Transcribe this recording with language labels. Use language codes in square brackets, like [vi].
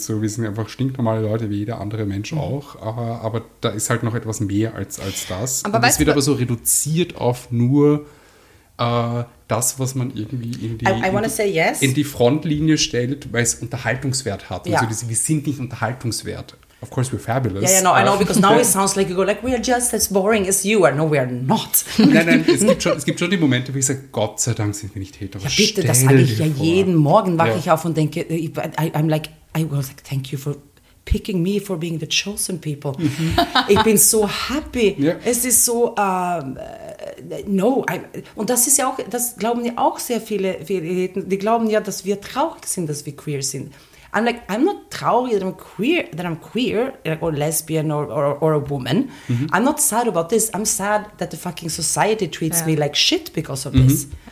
[de] So, wir sind einfach stinknormale Leute, wie jeder andere Mensch auch. Aber da ist halt noch etwas mehr als das. Aber das wird aber so reduziert auf nur das, was man irgendwie in die Frontlinie stellt, weil es Unterhaltungswert hat. Ja. Also wir sind nicht unterhaltungswert. [en] Of course, we're fabulous. Yeah, no, I know, because now it sounds like you go like, we are just as boring as you are. No, we are not. [de] Nein, es gibt schon die Momente, wo ich sage, Gott sei Dank sind wir nicht hetero. Ja, bitte, das sage ich ja jeden Morgen, wache ich auf und denke, [en] I'm like, I was like, thank you for picking me for being the chosen people. Mm-hmm. [de] Ich bin so happy. [en] Yeah. [de] Es ist so, und das ist ja auch, das glauben ja auch sehr viele, die glauben ja, dass wir traurig sind, dass wir queer sind. [en] I'm like, I'm not traurig, that I'm queer, or lesbian, or a woman. Mm-hmm. I'm not sad about this. I'm sad that the fucking society treats me like shit because of this.